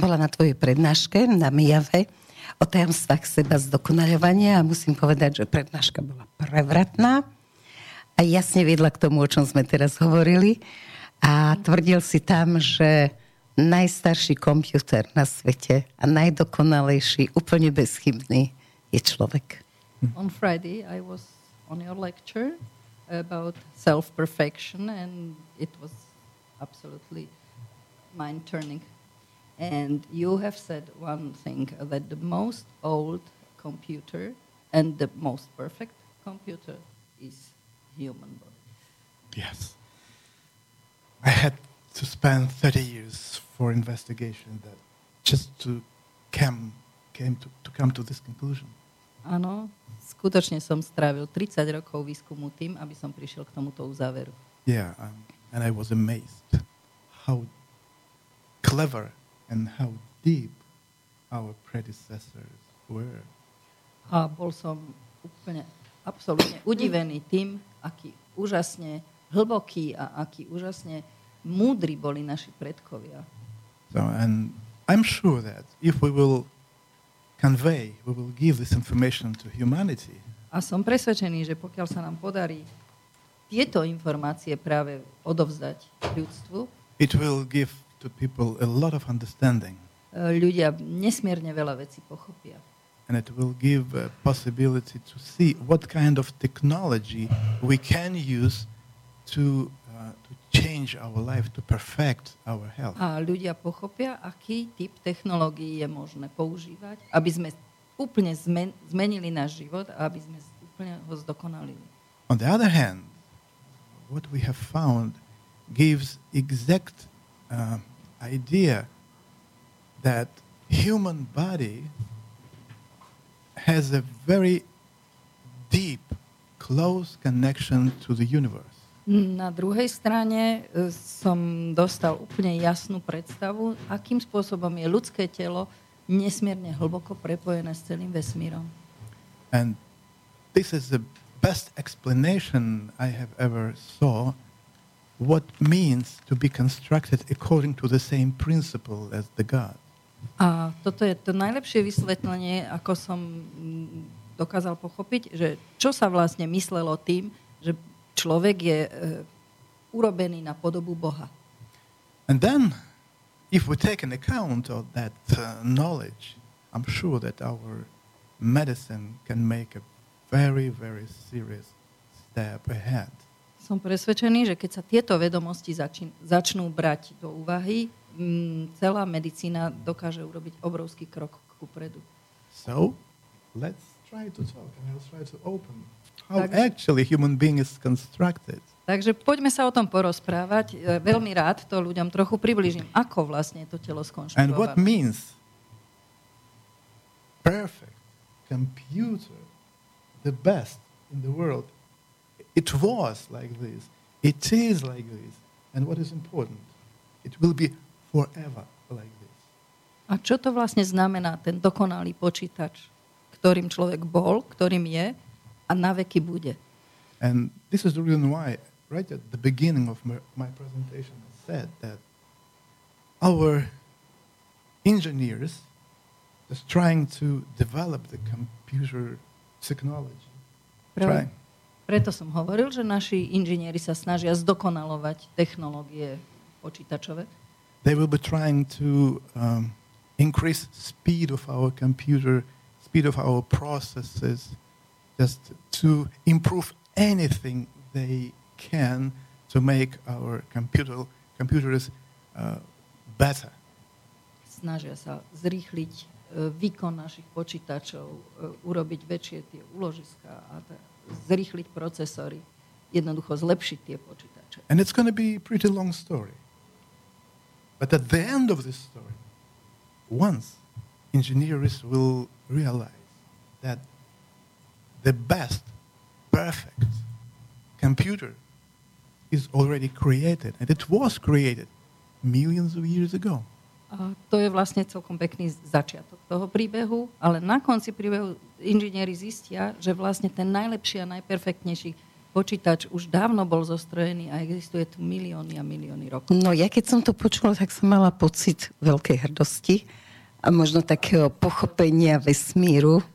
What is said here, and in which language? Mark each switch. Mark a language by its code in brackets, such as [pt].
[sk] Tvojej prednáške na Mijave o tajomstvách seba zdokonaľovania a musím povedať, že prednáška bola prevratná a jasne viedla k tomu, o čom sme teraz hovorili a tvrdil si tam, že najstarší komputer na svete a najdokonalejší, úplne bezchybný je človek. [en] On Friday I was on your lecture about self-perfection and it was absolutely mind-turning. And you have said one thing, that the most old computer and the most perfect computer is human body. Yes. I had to spend 30 years for investigation that just to come to this conclusion. [sk] Áno, skutočne som strávil 30 rokov výskumu tým, aby som prišiel k tomuto uzáveru. [en] Yeah, and I was amazed how clever and how deep our predecessors were. [sk] A bol som úplne absolútne udivený tým, aký úžasne hlboký a aký úžasne múdri boli naši predkovia. [en] So, and I'm sure that if we will convey, we will give this information to humanity. [sk] A som presvedčený, že pokiaľ sa nám podarí tieto informácie práve odovzdať ľudstvu, [en] it will give to people a lot of understanding. [sk] Ľudia nesmierne veľa vecí pochopia. [en] And it will give a possibility to see what kind of technology we can use to change our life, to perfect our health. [sk] A ľudia pochopia, aký typ technológií je možné používať, aby sme úplne zmenili náš život a aby sme úplne ho zdokonalili. [en] On the other hand, what we have found gives exact idea that human body has a very deep, close connection to the universe. [sk] Na druhej strane som dostal úplne jasnú predstavu, akým spôsobom je ľudské telo nesmierne hlboko prepojené s celým vesmírom. [en] And this is the best explanation I have ever saw what means to be constructed according to the same principle as the God. [sk] A toto je to najlepšie vysvetlenie, ako som dokázal pochopiť, že čo sa vlastne myslelo tým, že človek je urobený na podobu Boha. [en] And then, if we take an account of that knowledge, I'm sure that our medicine can make a very, very serious step ahead. [sk] Som presvedčený, že keď sa tieto vedomosti začnú brať do úvahy, celá medicína dokáže urobiť obrovský krok kupredu. [en] So, let's try to talk and let's try to open. How [sk] takže, [en] actually human being is constructed. [sk] Takže poďme sa o tom porozprávať. Veľmi rád to ľuďom trochu približím. Ako vlastne to telo skonštruované? [en] And what means perfect computer, the best in the world. It was like this. It is like this. And what is important? It will be forever like this. [sk] A čo to vlastne znamená, ten dokonalý počítač, ktorým človek bol, ktorým je a na veky bude? [en] And this is the reason why right at the beginning of my presentation I said that our engineers is trying to develop the computer technology. [sk] Preto som hovoril, že naši inžinieri sa snažia zdokonalovať technológie počítačové. [en] They will be trying to increase speed of our computer, speed of our processes, just to improve anything they can to make our computers better. [sk] Snažia sa zrýchliť výkon našich počítačov, urobiť väčšie tie úložiska a zrýchliť procesory, jednoducho zlepšiť tie počítače. [en] And it's going to be a pretty long story. But at the end of this story, once engineers will realize that the best, perfect computer is already created, and it was created millions of years ago. [sk] A to je vlastne celkom pekný začiatok toho príbehu, ale na konci príbehu inžinieri zistia, že vlastne ten najlepší a najperfektnejší počítač už dávno bol zostrojený a existuje tu milióny a milióny rokov. No ja keď som to počula, tak som mala pocit veľkej hrdosti a možno takého pochopenia vesmíru.